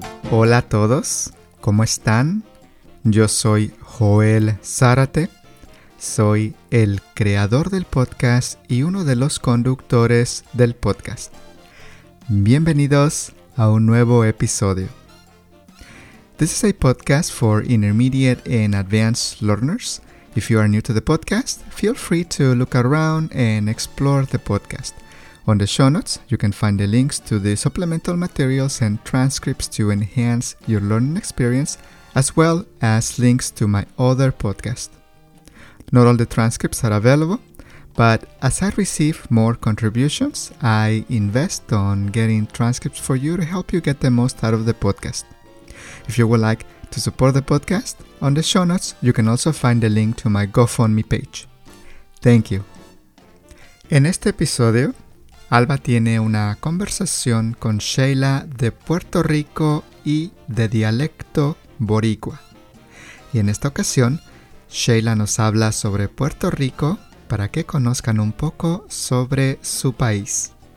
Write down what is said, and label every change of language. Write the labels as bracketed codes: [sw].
[es] Hola a todos, ¿cómo están? Yo soy Joel Zárate, soy el creador del podcast y uno de los conductores del podcast. Bienvenidos a un nuevo episodio. [en] This is a podcast for intermediate and advanced learners. If you are new to the podcast, feel free to look around and explore the podcast. On the show notes, you can find the links to the supplemental materials and transcripts to enhance your learning experience, as well as links to my other podcast. Not all the transcripts are available, but as I receive more contributions, I invest on getting transcripts for you to help you get the most out of the podcast. If you would like to support the podcast, on the show notes, you can also find the link to my GoFundMe page. Thank you. [es] En este episodio, Alba tiene una conversación con Sheila de Puerto Rico y de dialecto boricua. Y en esta ocasión, Sheila nos habla sobre Puerto Rico para que conozcan un poco sobre su país.